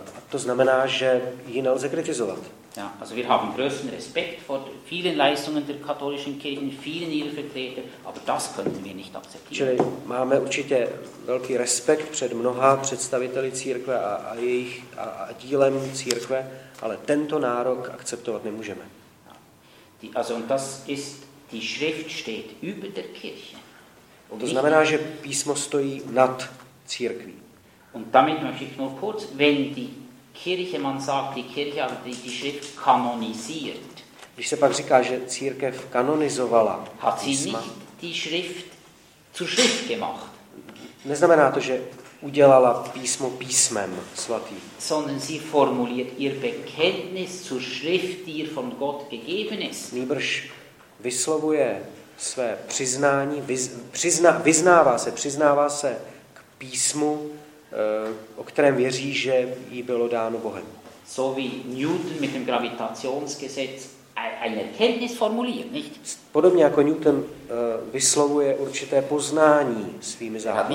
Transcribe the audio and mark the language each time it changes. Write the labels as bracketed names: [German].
[Czech] To znamená, že ji nelze kritizovat. [German] Ja, also wir haben größten Respekt vor vielen Leistungen der katholischen Kirchen, vielen ihrer Vertreter, aber das können wir nicht akzeptieren. [Czech] Čili máme určitě velký respekt před mnoha představiteli církve a dílem církve, ale tento nárok akceptovat nemůžeme. [German] Also und das ist, die Schrift steht über der Kirche. [Czech] Und to znamená, že písmo stojí nad církví. [German] Und damit möchte ich nur kurz, wenn die Kirche, man sagt, die Kirche hat die Schrift kanonisiert. [Czech] Když se pak říká, že církev kanonizovala [German] hat písma, sie nicht die Schrift zur Schrift gemacht. [Czech] Neznamená to, že udělala písmo písmem svatý. [German] Sondern sie formuliert ihr Bekenntnis zur Schrift, die ihr von Gott gegeben ist. [Czech] Nýbrž vyslovuje své přiznání, vyznává se k písmu, o kterém věří, že jí bylo dáno Bohem. [German] So wie Newton mit dem Gravitationsgesetz eine Erkenntnis formuliert, nicht? [Czech] Podobně jako Newton vyslovuje určité poznání svými záhadami.